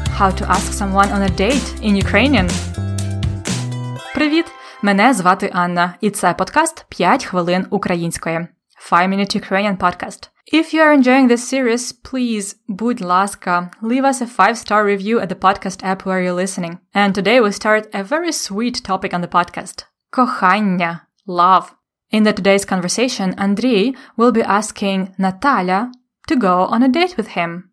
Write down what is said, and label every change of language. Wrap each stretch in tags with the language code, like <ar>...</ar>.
<en>How to ask someone on a date in Ukrainian.</en> <uk>Привіт! Мене звати Анна, і це подкаст «5 хвилин української».</uk> <en>5 Minute Ukrainian podcast. If you are enjoying this series, please,</en> <uk>будь ласка,</uk> <en>leave us a 5-star review at the podcast app where you're listening. And today we start a very sweet topic on the podcast.</en> <uk>Кохання. Love.</uk> <en>In the today's conversation, Андрій will be asking Наталя to go on a date with him.</en>